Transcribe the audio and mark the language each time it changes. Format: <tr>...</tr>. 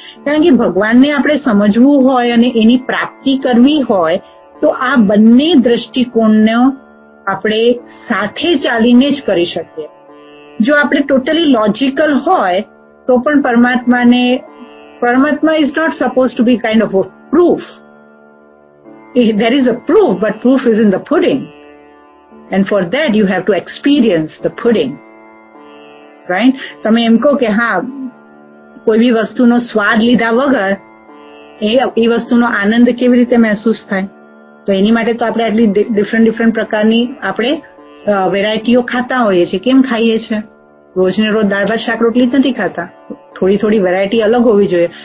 <gu>કારણ કે ભગવાનને આપણે સમજવું હોય અને એની પ્રાપ્તિ કરવી હોય તો આ બંને દ્રષ્ટિકોણને આપણે સાથે ચાલીને જ કરી શકીએ. જો આપણે ટોટલી લોજિકલ હોય તો પણ પરમાત્માને, પરમાત્મા</gu> <en>Is not suppose to be kind of proof. There is a proof, but proof is in the pudding. And for that, you have to experience the pudding. Right?</en> <gu>તમે એમ કહો કે હા, કોઈ બી વસ્તુનો સ્વાદ લીધા વગર એ વસ્તુનો આનંદ કેવી રીતે મહેસૂસ થાય? તો એની માટે તો આપણે આટલી ડિફરન્ટ ડિફરન્ટ પ્રકારની આપણે વેરાયટીઓ ખાતા હોઈએ છીએ. કેમ ખાઈએ છીએ? રોજને રોજ દાળ ભાત શાક રોટલી જ નથી ખાતા. થોડી થોડી વેરાયટી અલગ હોવી જોઈએ.</gu>